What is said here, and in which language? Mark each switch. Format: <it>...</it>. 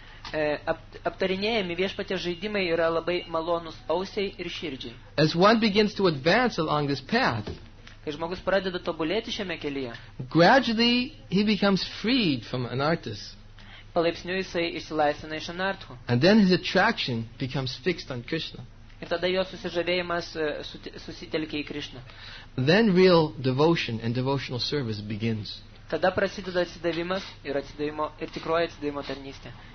<lt>Aptarinėjami viešpatės žaidimai yra labai malonus ausiai ir širdžiai.</lt> <en>As one begins to advance along this path,</en> <lt>kai žmogus pradeda tobulėti šiame kelyje,</lt> <en>gradually he becomes freed from anartas.</en> <lt>Palaipsniui jisai išsilaisvina iš anartų.</lt> <en>And then his attraction becomes fixed on Krishna.</en> <lt>Ir tada jo susižavėjimas susitelkia į Krishna.</lt> <en>Then real devotion and devotional service begins.</en> <lt>Tada prasideda atsidavimas ir atsidavimo ir tikroji atsidavimo tarnystė.</lt>